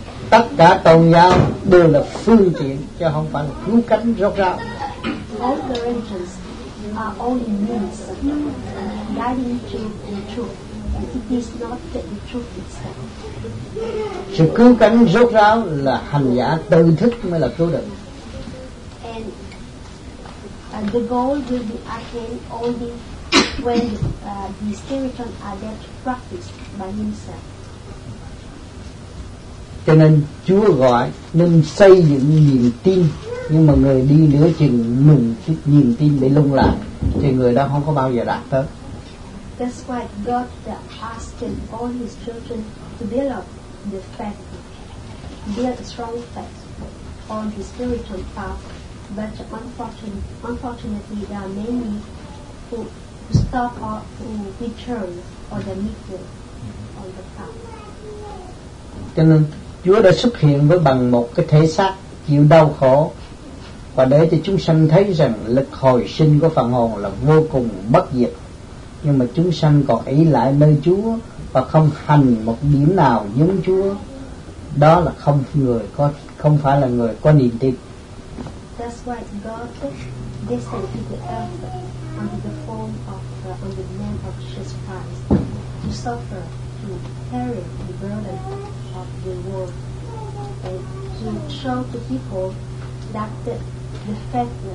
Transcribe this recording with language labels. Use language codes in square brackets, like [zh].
[vi] Tất cả tôn giáo đều là phương tiện chứ không phải là cứu cánh rốt ráo. [en] All the religions are only means guiding to the truth, and it is not the truth itself. [vi] Sự cứu cánh rốt ráo là hành giả tự thức mới là cứu được. [en] And the goal will be attained only when the spiritual adept practice by himself. [vi] Cho nên Chúa gọi nên xây dựng niềm tin, nhưng mà người đi nửa chừng mừng chút niềm tin bị lung lạc thì người đó không có bao giờ đạt tới. [en] That's why God asked all his children to build up the faith, build a strong faith on his spiritual path. But unfortunately there are many who stop or who return or the middle on the path. [vi] Cho nên Chúa đã xuất hiện với bằng một cái thể xác chịu đau khổ, và để cho chúng sanh thấy rằng lực hồi sinh của phần hồn là vô cùng bất diệt. Nhưng mà chúng sanh còn ỷ lại nơi Chúa và không hành một điểm nào giống Chúa, đó là không người có, không phải là người có niềm tin. [en] That's why God descended to the earth under the form of under the name of Jesus Christ, to suffer, to carry the burden of the world, and to show to people that the faith